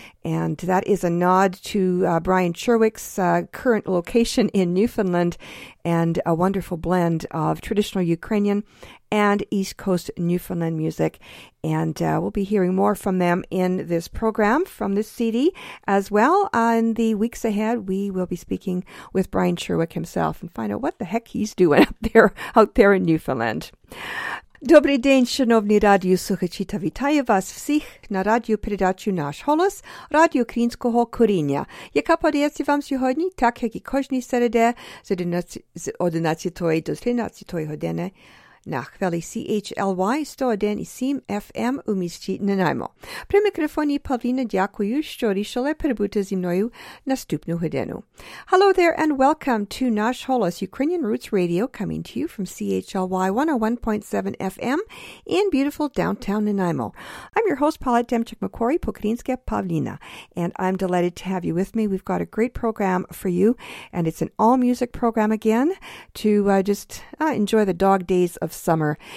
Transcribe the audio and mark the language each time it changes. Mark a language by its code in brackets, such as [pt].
[en] And that is a nod to Brian Cherwick's current location in Newfoundland and a wonderful blend of traditional Ukrainian and East Coast Newfoundland music. And we'll be hearing more from them in this program from this CD as well. In the weeks ahead, we will be speaking with Brian Cherwick himself and find out what the heck he's doing out there in Newfoundland. [uk] Добрий день, шановні радіослухачі та вітаю вас всіх на радіопередачу «Наш голос» Радіо Українського коріння, яка подається вам сьогодні, так як і кожній середи з 11 до 13 години на хвилі CHLY 101.7 FM у місті Нанаймо. При мікрофоні Павліна, дякую, що рішили перебути зі мною наступну годину. [en] Hello there and welcome to Nash Holos, Ukrainian Roots Radio, coming to you from CHLY 101.7 FM in beautiful downtown Nanaimo. I'm your host, Paulette Demchuk-McQuarrie, Pokrinske Pavlina, and I'm delighted to have you with me. We've got a great program for you, and it's an all-music program again to enjoy the dog days of summer.